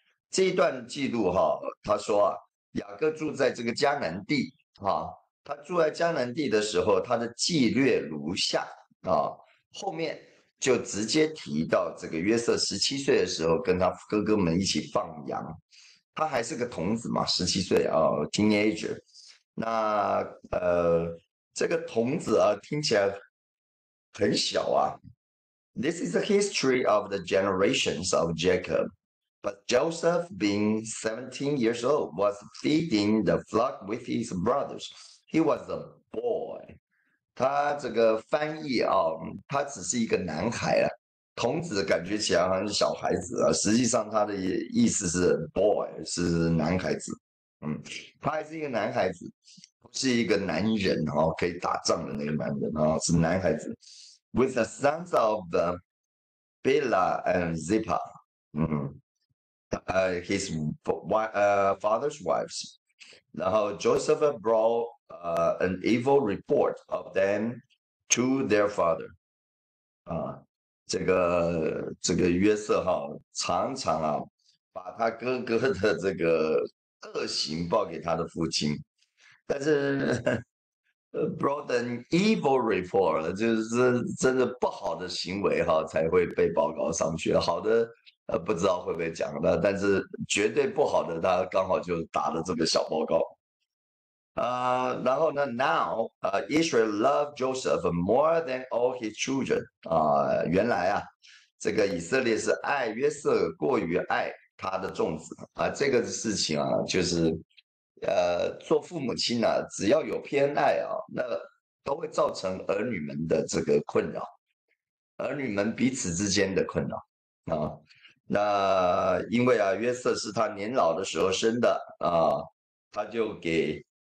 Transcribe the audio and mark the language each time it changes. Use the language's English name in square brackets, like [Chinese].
[Chinese] 这一段记录他说雅各住在这个迦南地他住在迦南地的时候，他的纪略如下后面就直接提到这个约瑟17岁的时候跟他哥哥们一起放羊，他还是个童子嘛，17岁teenager。那这个童子听起来很小啊。 [English] This is the history of the generations of Jacob。 But Joseph, being 17 years old, was feeding the flock with his brothers. He was a boy. [Chinese] 他这个翻译他只是一个男孩啊，童子感觉起来好像是小孩子啊，实际上他的意思是 boy，是男孩子。他还是一个男孩子，不是一个男人可以打仗的那个男人是男孩子。 [English] With the sons of Bilhah and Zilpah. His father's wives. Now Joseph brought an evil report of them to their father. [Chinese] 这个约瑟常常把他哥哥的这个恶行报给他的父亲，但是 [English] brought an evil report [Chinese] 就是真的不好的行为才会被报告上去，好的。不知道会不会讲的，但是绝对不好的，他刚好就打了这个小报告。 [English] 然后呢，Now Israel loved Joseph more than all his children。 [Chinese] 原来这个以色列是爱约瑟过于爱他的众子这个事情就是做父母亲只要有偏爱那都会造成儿女们的这个困扰，儿女们彼此之间的困扰那因为约瑟是他年老的时候生的他就给